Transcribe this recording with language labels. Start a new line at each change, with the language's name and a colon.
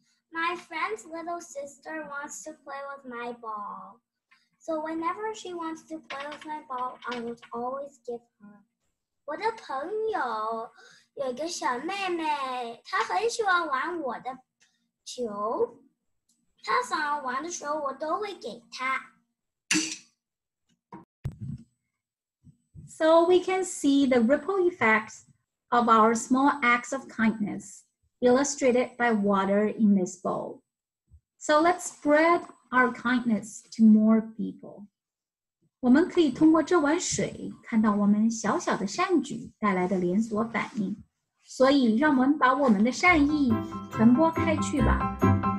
English: My friend's little sister wants to play with my ball. So whenever she wants to play with my ball, I would always give her.
Chinese: 我的朋友有一个小妹妹，她很喜欢玩我的球。她想要玩的时候，我都会给她。
English: So we can see the ripple effects of our small acts of kindness, illustrated by water in this bowl. So let's spread our kindness to more people.
Chinese: 我们可以通过这碗水看到我们小小的善举带来的连锁反应。所以让我们把我们的善意传播开去吧。